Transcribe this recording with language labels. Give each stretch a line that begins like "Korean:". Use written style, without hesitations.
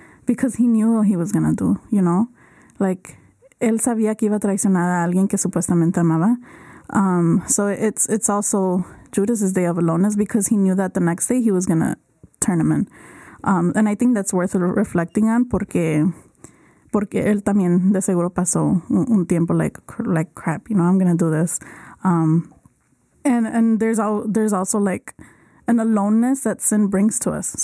English: Because he knew what he was going to do, you know?
Spanish: Like, él sabía que iba a traicionar a alguien que supuestamente amaba.
English: So it's also Judas's day of aloneness because he knew that the next day he was going to turn him in. And I think that's worth reflecting on
Spanish: porque él también de seguro pasó un tiempo
English: like crap, you know, I'm going to do this. And there's also like an aloneness that sin brings to us.